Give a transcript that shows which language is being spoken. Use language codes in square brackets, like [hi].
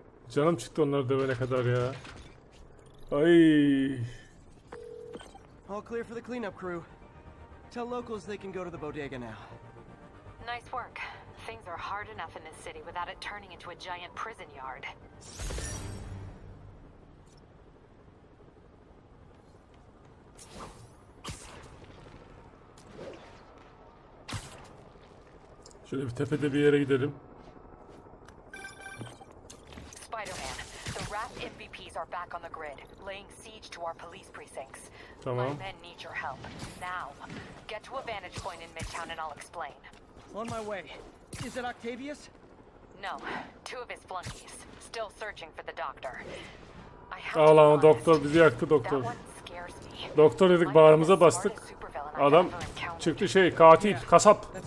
[tr] Canım çıktı onları dövene kadar ya. Ay. [en] All clear for the cleanup crew. Tell locals they can go to the bodega now. Nice work. Things are hard enough in this city without it turning into a giant prison yard. [tr] Şu Şöyle bir tepede bir yere gidelim. [en] Spider-Man, the Wrath MVPs are back on the grid, laying siege to our police precincts. [tr] Tamam. [en] My men need your help now. Get to a vantage point in Midtown and I'll explain. On my way. Is it Octavius? No, two of his flunkies still searching for the doctor. [tr] Allah, o doktor bizi yaktı doktor. Doktor dedik, bağrımıza bastık. Adam çıktı şey, katil, kasap.